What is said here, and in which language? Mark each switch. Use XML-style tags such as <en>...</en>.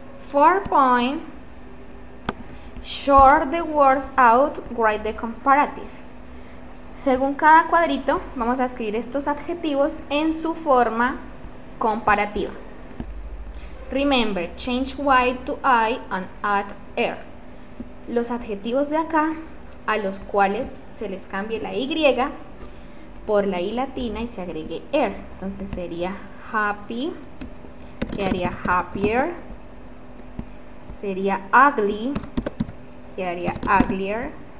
<en>4 points. Short the words out, write the comparative.</en> <es>Según cada cuadrito, vamos a escribir estos adjetivos en su forma comparativa.</es> <en>Remember, change Y to I and add R.</en> <es>Los adjetivos de acá, a los cuales se les cambie la Y por la I latina y se agregue R. Entonces sería happy, quedaría happier. Sería ugly, quedaría uglier.</es>